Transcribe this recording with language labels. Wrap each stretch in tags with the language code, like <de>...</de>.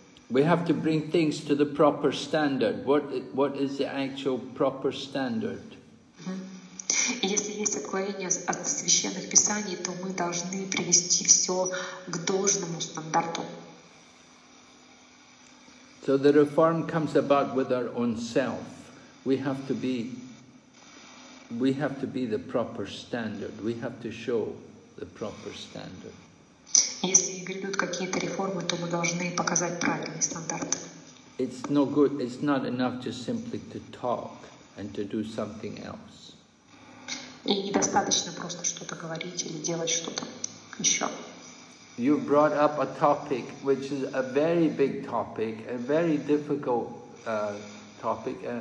<en>We have to bring things to the proper standard. What is the actual proper standard?</en> <ru>Если есть отклонение от священных писаний, то мы должны привести все к должному стандарту.</ru> <en>So the reform comes about with our own self. We have to be the proper standard. We have to show the proper standard.</en> <ru>Если грядут какие-то реформы, то мы должны показать правильный стандарт.</ru> <en>It's no good. It's not enough just simply to talk and to do something else.</en> <ru>И недостаточно просто что-то говорить или делать что-то еще.</ru> <en>You brought up a topic which is a very big topic, a very difficult topic.</en>